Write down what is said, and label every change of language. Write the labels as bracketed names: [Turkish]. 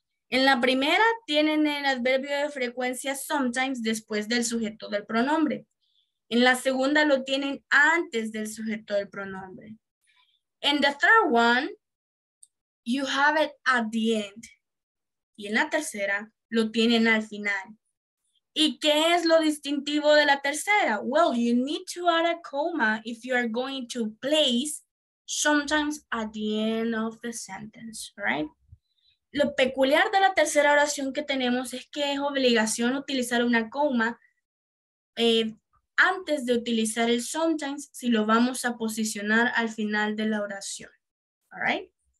[Spanish] En la primera, tienen el adverbio de frecuencia sometimes después del sujeto del pronombre. En la segunda, lo tienen antes del sujeto del pronombre. [English] In the third one, you have it at the end. [Spanish] Y en la tercera, lo tienen al final. ¿Y qué es lo distintivo de la tercera? [English] Well, you need to add a comma if you are going to place sometimes at the end of the sentence, right? [Spanish] Lo peculiar de la tercera oración que tenemos es que es obligación utilizar una coma antes de utilizar el sometimes si lo vamos a posicionar al final de la oración, [English] all right?